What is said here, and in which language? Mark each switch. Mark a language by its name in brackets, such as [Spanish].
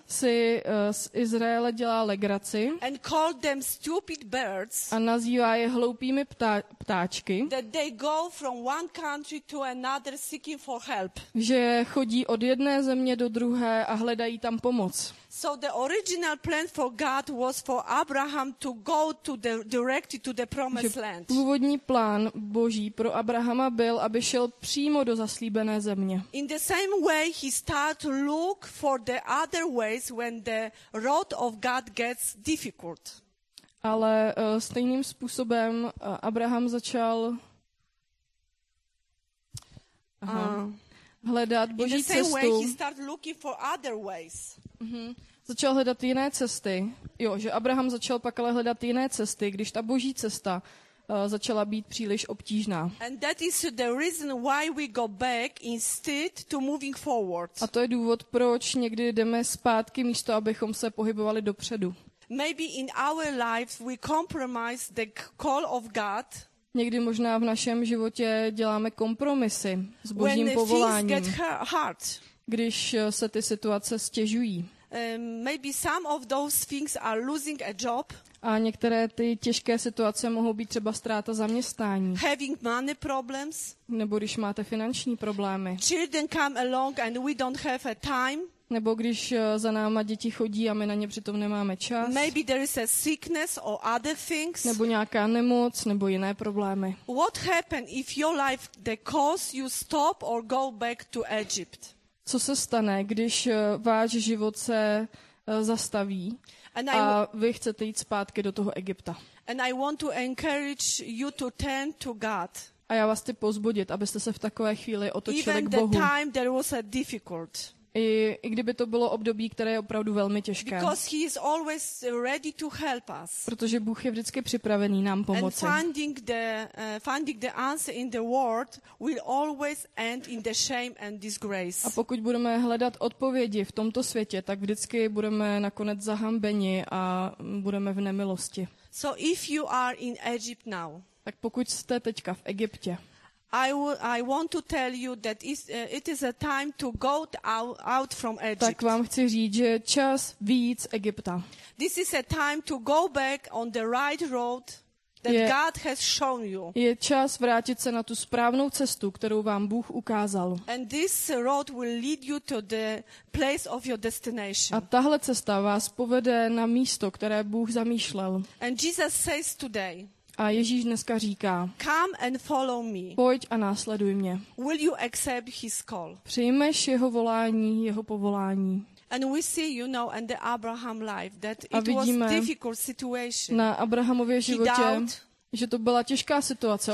[Czech] Si z Izraele dělá legraci. [English] And call them stupid birds. [Czech] A nazývá je hloupými ptáčky. [English] That they go from one country to another seeking for help. [Czech] Že chodí od jedné země do druhé a hledají tam pomoc. [English] So the original plan for God was for Abraham to go to the directly to the promised land. [Czech] Původní plán Boží pro Abrahama byl, aby šel přímo do zaslíbené země. [English] In the same way he started not look for the other ways when the road of God gets difficult. [Czech] Ale stejným způsobem Abraham začal hledat Boží cestu. [English] In the same way he started looking for other ways. [Czech] Začal hledat jiné cesty. Jo, že Abraham začal pak ale hledat jiné cesty, když ta Boží cesta začala být příliš obtížná. [English] And that is the reason why we go back instead to moving forward. [Czech] A to je důvod, proč někdy jdeme zpátky místo, abychom se pohybovali dopředu. [English] Maybe in our lives we compromise the call of God. [Czech] Někdy možná v našem životě děláme kompromisy s Božím povoláním. [English] When things get hard. [Czech] Když se ty situace stěžují. [English] Maybe some of those things are losing a job. [Czech] A některé ty těžké situace mohou být třeba ztráta zaměstnání. [English] Having money problems. [Czech] Nebo když máte finanční problémy. [English] Children come along and we don't have a time. [Czech] Nebo když za náma děti chodí a my na ně přitom nemáme čas. [English] Maybe there is a sickness or other things. [Czech] Nebo nějaká nemoc nebo jiné problémy. [English] What happens if your life the cause you stop or go back to Egypt? [Czech] Co se stane, když váš život se zastaví a vy chcete jít zpátky do toho Egypta? [English] And I want to encourage you to turn to God. [Czech] A já vás chci pozbudit, abyste se v takové chvíli otočili [English] even [Czech] k Bohu. [English] The time there was a difficult. [Czech] I kdyby to bylo období, které je opravdu velmi těžké. [English] Because he is always ready to help us. [Czech] Protože Bůh je vždycky připravený nám pomoci. [English] And finding the answer in the word will always end in the shame and disgrace. [Czech] A pokud budeme hledat odpovědi v tomto světě, tak vždycky budeme nakonec zahambeni a budeme v nemilosti. [English] So if you are in Egypt now. [Czech] Tak pokud jste teďka v Egyptě. [English] I want to tell you that it is a time to go out from Egypt. [Czech] Tak vám chci říct, že čas víc Egypta. [English] This is a time to go back on the right road that God has shown you. [Czech] Je čas vrátit se na tu správnou cestu, kterou vám Bůh ukázal. [English] And this road will lead you to the place of your destination. [Czech] A tahle cesta vás povede na místo, které Bůh zamýšlel. [English] And Jesus says today. [Czech] A Ježíš dneska říká: [English] Come and follow me. [Czech] Pojď a následuj mě. [English] Will you accept his call? [Czech] Přijmeš jeho volání, jeho povolání. [English] And we see, you know, and the Abraham life that it was a difficult situation. [Czech] Na Abrahamově životě, že to byla těžká situace.